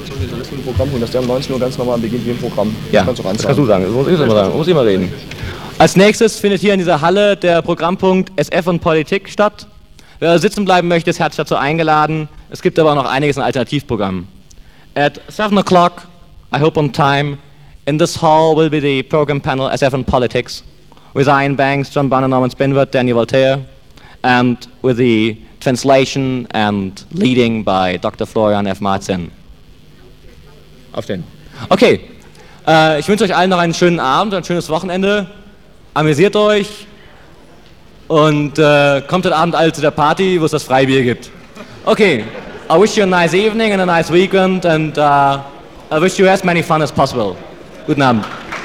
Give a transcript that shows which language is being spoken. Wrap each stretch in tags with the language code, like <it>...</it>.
<de>Wir müssen ein Programm holen, dass der um 19 Uhr ganz normal beginnt wie im Programm. Ja, das kannst du sagen. Das muss ich immer sagen. Muss ich mal reden. Als nächstes findet hier in dieser Halle der Programmpunkt SF und Politik statt. Wer sitzen bleiben möchte, ist herzlich dazu eingeladen. Es gibt aber auch noch einiges an Alternativprogrammen.</de> <en>At 7 o'clock, I hope on time, in this hall will be the program panel SF and Politics, with Ian Banks, John Bonner, Norman Spinvert, Daniel Voltaire, and with the translation and leading by Dr. Florian F. Martin.</en> <de>Auf den. Okay, ich wünsche euch allen noch einen schönen Abend, ein schönes Wochenende. Amüsiert euch und kommt heute Abend alle zu der Party, wo es das Freibier gibt.</de> <en>Okay, I wish you a nice evening and a nice weekend and I wish you as many fun as possible.</en> <de>Guten Abend.</de>